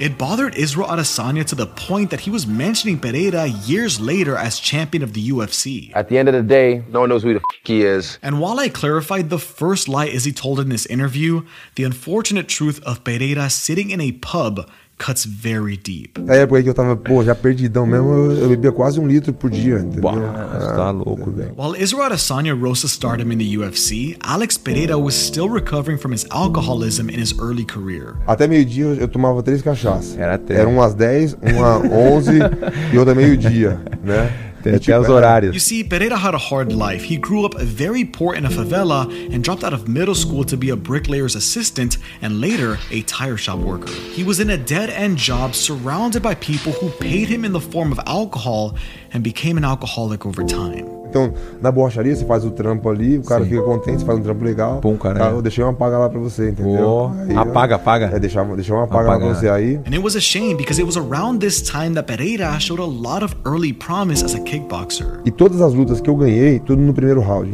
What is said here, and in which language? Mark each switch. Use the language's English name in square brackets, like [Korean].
[English] It bothered Israel Adesanya to the point that he was mentioning Pereira years later as champion of the UFC. At the end of the day, no one knows who the f*** he is. And while I clarified the first lie Izzy told in this interview, the unfortunate truth of Pereira sitting in a pub cuts very deep. [Portuguese] Na época que eu tava, pô, já perdidão mesmo, eu bebia quase um litro por dia, entendeu? Uau, tá louco, velho. [English] While Israel Adesanya rose to stardom in the UFC, Alex Pereira was still recovering from his alcoholism in his early career. [Portuguese] Até meio-dia eu tomava 3 cachaças. Era até. Era umas 10, uma 11 e outra meio-dia, né? [English] You see, Pereira had a hard life. He grew up very poor in a favela and dropped out of middle school to be a bricklayer's assistant and later a tire shop worker. He was in a dead-end job surrounded by people who paid him in the form of alcohol and became an alcoholic over time. [Portuguese] Então, na borracharia, você faz o trampo ali, o cara fica contente, faz um trampo legal. Bom, cara. Eu deixei uma paga lá pra você, entendeu? Apaga. É, deixei uma paga lá pra você aí. [English] And it was a shame, because it was around this time that Pereira showed a lot of early promise as a kickboxer. [Portuguese] E todas as lutas que eu ganhei, tudo no primeiro round.